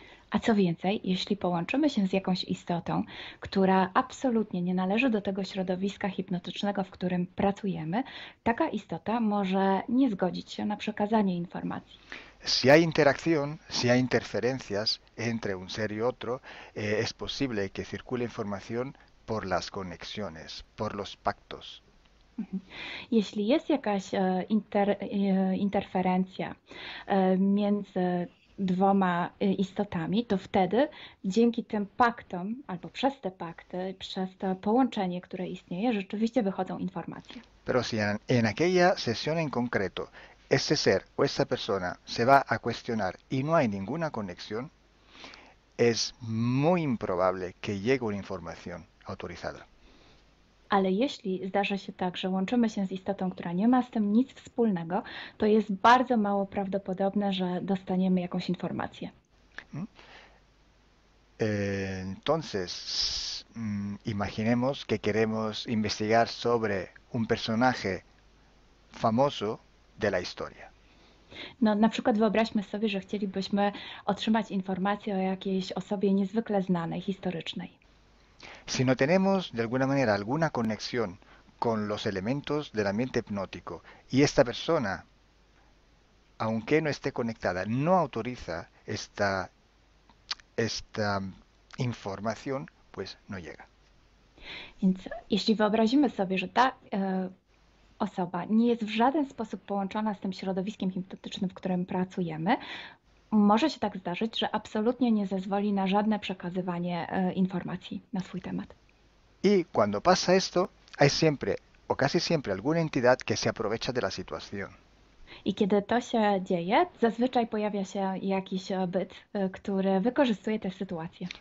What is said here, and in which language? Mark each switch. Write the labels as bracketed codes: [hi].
[pl] A co więcej, jeśli połączymy się z jakąś istotą, która absolutnie nie należy do tego środowiska hipnotycznego, w którym pracujemy, taka istota może nie zgodzić się na przekazanie informacji. [es] Si hay interacción, si hay interferencias entre un ser y otro, es posible que circule información por las conexiones, por los pactos. [pl] Jeśli jest jakaś interferencja między dwoma istotami, to wtedy dzięki tym paktom, albo przez te pakty, przez to połączenie, które istnieje, rzeczywiście wychodzą informacje. [es] Pero si en aquella sesión en concreto ese ser o esa persona se va a cuestionar y no hay ninguna conexión, es muy improbable que llegue una información autorizada. [pl] Ale jeśli zdarza się tak, że łączymy się z istotą, która nie ma z tym nic wspólnego, to jest bardzo mało prawdopodobne, że dostaniemy jakąś informację. [es] Entonces, imaginemos que queremos investigar sobre un personaje famoso de la historia. [pl] No, na przykład wyobraźmy sobie, że chcielibyśmy otrzymać informację o jakiejś osobie niezwykle znanej, historycznej. [es] Si no tenemos de alguna manera alguna conexión con los elementos del ambiente hipnótico y esta persona, aunque no esté conectada, no autoriza esta información, pues no llega. [pl] Więc jeśli wyobrazimy sobie, że ta osoba nie jest w żaden sposób połączona z tym środowiskiem hipnotycznym, w którym pracujemy, może się tak zdarzyć, że absolutnie nie zezwoli na żadne przekazywanie informacji na swój temat. [es] Y cuando pasa esto, hay siempre, o casi siempre, alguna entidad que se aprovecha de la situación. [pl] I kiedy to się dzieje, zazwyczaj pojawia się jakiś byt, który wykorzystuje tę sytuację.